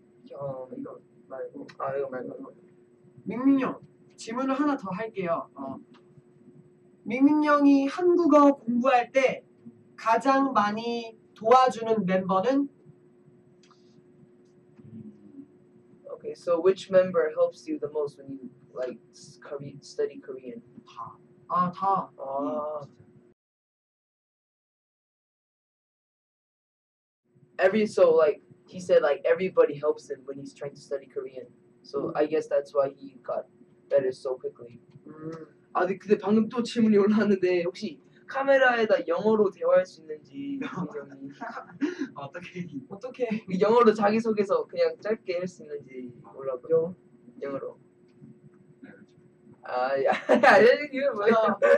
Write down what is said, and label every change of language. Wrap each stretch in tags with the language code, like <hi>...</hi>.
<ko>이거 말고 밍밍형 질문을 하나 더 할게요. 밍밍형이 한국어 공부할 때 가장 많이 도와주는 멤버는?</ko> <en>Okay, so which member helps you the most when you like study Korean?</en> <ko>다. 아, 다. 아. 네.</ko> <en>Every so like. He said like everybody helps him when he's trying to study Korean. So I guess that's why he got better so quickly.</en> <ko>아 근데 방금 또 질문이 올라왔는데 혹시 카메라에다 영어로 대화할 수 있는지 어떻게 어떻게 영어로 자기 소개서 그냥 짧게 할 수 있는지 몰라요. 영어로. 아 야 이거 뭐야?</ko>